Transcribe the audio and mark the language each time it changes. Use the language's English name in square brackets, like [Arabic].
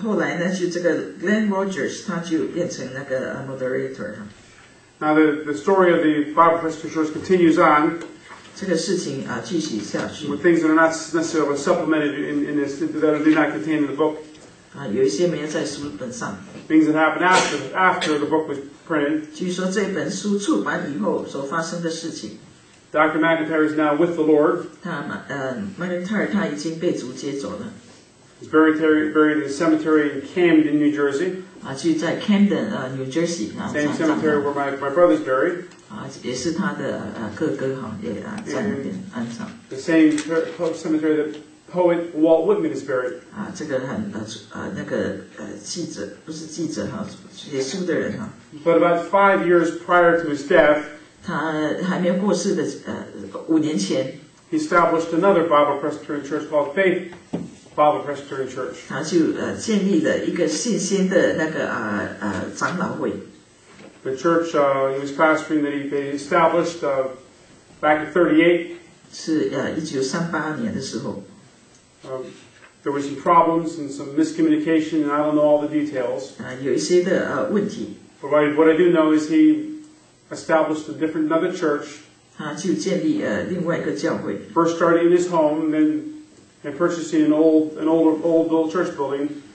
[Chinese] 后来呢，就这个 Glenn Rogers 他就变成那个 moderator. [English] Now the story of the Bible Presbyterian Church continues on. [Chinese] 这个事情继续下去. [English] With things that are not necessarily supplemented in this that are not contained in the book. [Chinese] 有一些没有在书本上. [English] Things that happened after the book was printed. [Chinese] 据说这本书出版以后所发生的事情. [English] Dr. McIntyre is now with the Lord. [Chinese] McIntyre已经被主接走了. [English] He's buried in the cemetery in Camden, New Jersey. [Chinese] 就在Camden, New Jersey. [English] Same cemetery where my brother's buried. [Chinese] 也是他的哥哥也在那边安葬。 [English] The same cemetery that poet Walt Whitman is buried. [Chinese] 这个记者，不是记者哈，写书的人哈。 [English] But about 5 years prior to his death, [Chinese] 他还没过世的五年前, [English] he established another Bible Presbyterian church called Faith Bible Presbyterian Church. [Chinese] 他就建立了一个信心的那个长老会。 [English] The church he was pastoring that he established back in 38. [Chinese] 是1938年的时候。 [English] There were some problems and some miscommunication, and I don't know all the details. [Chinese] 有一些的问题。 [English] But what I do know is he established a different another church. [Chinese] 他就建立另外一个教会。 [English] First starting in his home, and then purchasing an old church building.